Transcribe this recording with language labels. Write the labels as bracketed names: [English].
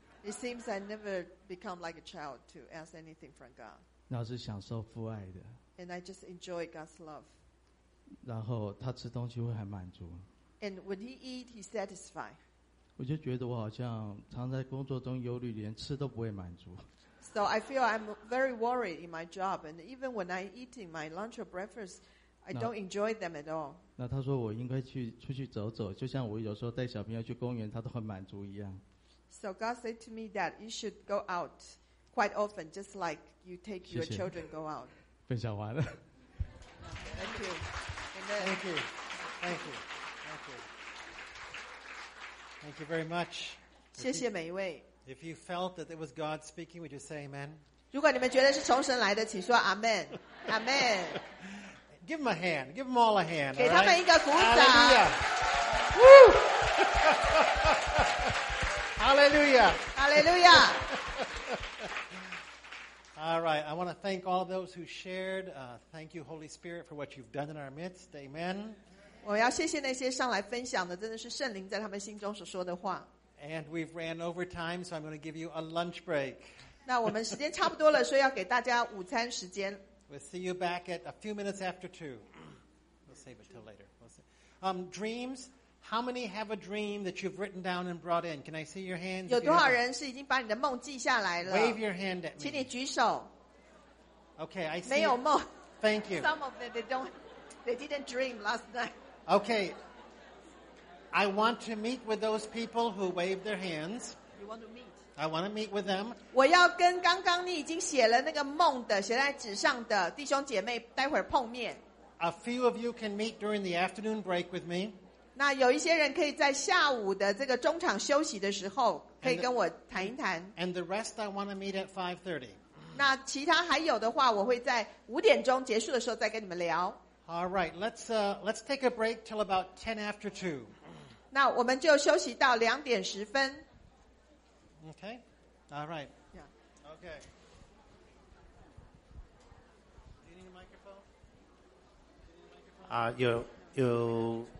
[English] It seems I never become like a child to ask anything from God. [Chinese] 那是享受父爱的。 [English] And I just enjoy God's love. [Chinese] 然后他吃东西会很满足。 [English] And when he eat, he satisfied. [Chinese] 我就觉得我好像常在工作中忧虑，连吃都不会满足。 [English] So I feel I'm very worried in my job, and even when I eating my lunch or breakfast. I don't enjoy them at all. [Chinese] 那他说我应该去出去走走，就像我有时候带小朋友去公园，他都很满足一样。 [English] So God said to me that you should go out quite often, just like you take your children go out. [Chinese] 分享完了。 [English] Thank you. Thank you. Thank you. Thank you. Thank you very much. [Chinese] 谢谢每一位。 [English] If you felt that it was God speaking, would you say Amen? [Chinese] 如果你们觉得是从神来的，请说 Amen. Amen. [English] Give them a hand. Give them all a hand. [Chinese] 给他们一个鼓掌。 [English] Hallelujah. Woo. Hallelujah. Hallelujah. All right. I want to thank all those who shared. Thank you, Holy Spirit, for what you've done in our midst. Amen. [Chinese] 我要谢谢那些上来分享的，真的是圣灵在他们心中所说的话。 [English] And we've ran over time, so I'm going to give you a lunch break. [Chinese] 那我们时间差不多了，所以要给大家午餐时间。 [English] We'll see you back at a few minutes after two. We'll save it till later. Dreams, how many have a dream that you've written down and brought in? Can I see your hands? [Chinese] 有多少人是已经把你的梦记下来了？ [English] Wave your hand at me. [Chinese] 请你举手。 [English] Okay, I see. [Chinese] 没有梦。 [English] Thank you. Some of them, they didn't dream last night. Okay. I want to meet with those people who wave their hands. You want to meet? I want to meet with them. [Chinese] 我要跟刚刚你已经写了那个梦的写在纸上的弟兄姐妹待会儿碰面。 [English] A few of you can meet during the afternoon break with me. [Chinese] 那有一些人可以在下午的这个中场休息的时候可以跟我谈一谈。 [English] And the rest I want to meet at 5:30. [Chinese] 那其他还有的话我会在五点钟结束的时候再跟你们聊。 [English] All right, let's take a break till about 10 after 2. [Chinese] 那我们就休息到两点十分。 [English] Okay. All right. Yeah. Okay. Do you need a microphone?